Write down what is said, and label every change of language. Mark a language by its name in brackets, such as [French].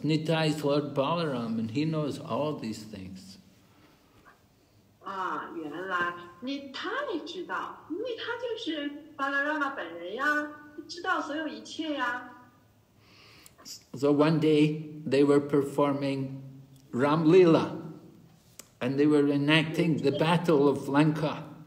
[English] Nitai is Lord Balaram, and he knows all these things. [Chinese] 原来你太知道，因为他就是巴拉拉玛本人呀，知道所有一切呀。 [English] So one day they were performing Ram Lila, And they were enacting the Battle of Lanka.